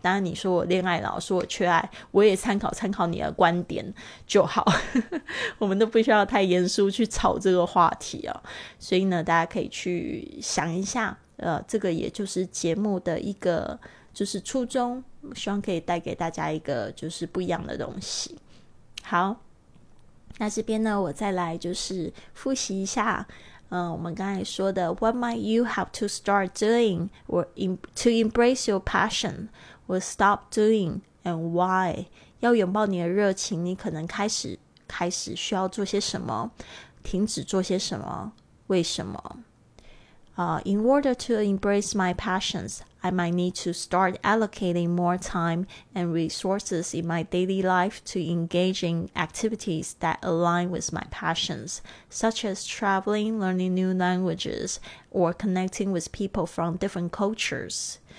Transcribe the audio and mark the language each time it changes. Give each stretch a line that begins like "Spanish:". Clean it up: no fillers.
Chinese: 当然你说我恋爱脑，说我缺爱，我也参考参考你的观点就好我们都不需要太严肃去吵这个话题哦。所以呢大家可以去想一下这个也就是节目的一个就是初衷，希望可以带给大家一个就是不一样的东西。好，那这边呢我再来就是复习一下我们刚才说的
English: What might you have to start doing to embrace your passion or stop doing and why?
Chinese: 要拥抱你的热情，你可能开始需要做些什么，停止做些什么，为什么。
English: In order to embrace my passions, I might need to start allocating more time and resources in my daily life to engaging activities that align with my passions, such as traveling, learning new languages, or connecting with people from different cultures.